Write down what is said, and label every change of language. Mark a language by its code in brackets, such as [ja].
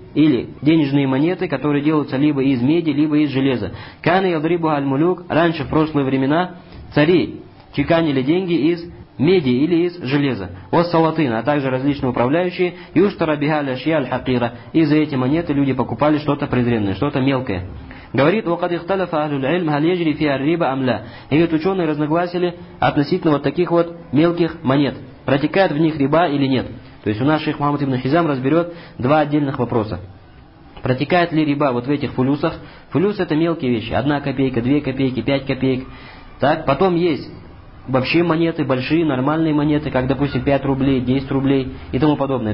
[ru] Или денежные монеты, которые делаются либо из меди, либо из железа. [ar] Кан ядрибу аль-мулюк, [ru] раньше в прошлые времена цари чеканили деньги из меди или из железа. Вот салатын, а также различные управляющие, [ar] юштара бигаль ашья аль-хакира. [ru] И за эти монеты люди покупали что-то презренное, что-то мелкое. Говорит, [ar] وقد اختلف اهل العلم هل يجري فيها الربا ام لا. [ru] И вот ученые разногласили относительно вот таких вот мелких монет. Протекает в них риба или нет? То есть у нас шейх Мухаммад ибн Хизам разберет два отдельных вопроса. Протекает ли риба вот в этих фулюсах? Фулюс это мелкие вещи. Одна копейка, две копейки, пять копеек. Так, потом есть вообще монеты, большие, нормальные монеты, как допустим 5 рублей, 10 рублей и тому подобное.